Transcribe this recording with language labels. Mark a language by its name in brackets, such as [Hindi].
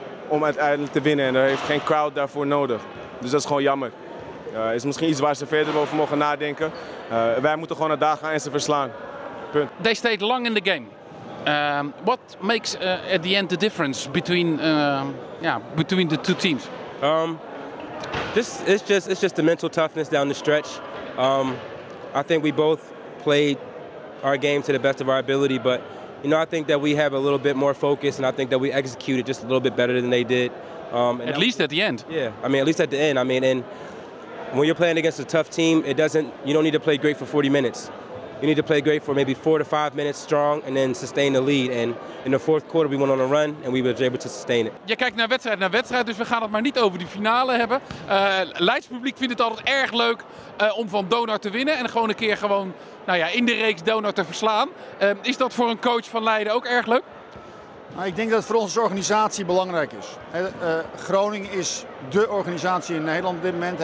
[Dutch] om uiteindelijk te winnen. En er heeft geen crowd daarvoor nodig. Dus dat is gewoon jammer. Is misschien iets waar ze verder over mogen nadenken. Wij moeten gewoon naar daar gaan en ze verslaan. Punt. [English] They stayed long in the game. What makes at the end the difference between the two teams? It's just the mental toughness down the stretch. I think we both played our game to the best of our ability, but you know, I think that we have a little bit more focus, and I think that we executed just a little bit better than they did. At least at the end. Yeah, I mean, at least at the end. I mean, and when you're playing against a tough team, you don't need to play great for 40 minutes. You need to play great for maybe 4 to 5 minutes strong and then sustain the lead. And in the fourth quarter we went on a run and we were able to sustain it. [Dutch] Je kijkt naar wedstrijd, dus we gaan het maar niet over die finale hebben. Leids publiek vindt het altijd erg leuk om van Donar te winnen en gewoon een keer gewoon, nou ja, in de reeks Donar te verslaan. Is dat voor een coach van Leiden ook erg leuk? Nou, ik denk dat het voor onze organisatie belangrijk is. Groningen is dé organisatie in Nederland op dit moment.